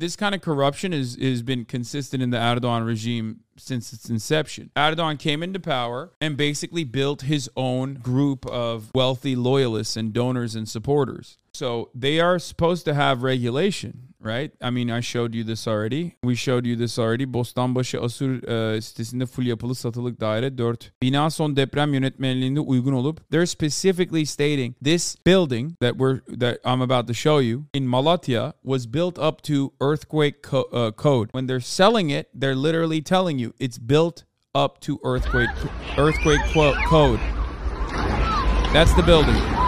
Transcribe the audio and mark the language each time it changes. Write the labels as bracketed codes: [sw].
[en] This kind of corruption has been consistent in the Erdogan regime since its inception. Erdogan came into power and basically built his own group of wealthy loyalists and donors and supporters. So they are supposed to have regulation, right? I mean, I showed you this already. We showed you this already. [tr] Bostanbaşı Asur sitesinde full yapılı satılık daire 4. Bina son deprem yönetmeliğinde uygun olup. [en] They're specifically stating this building that I'm about to show you in Malatya was built up to earthquake code. When they're selling it, they're literally telling you it's built up to earthquake code. That's the building.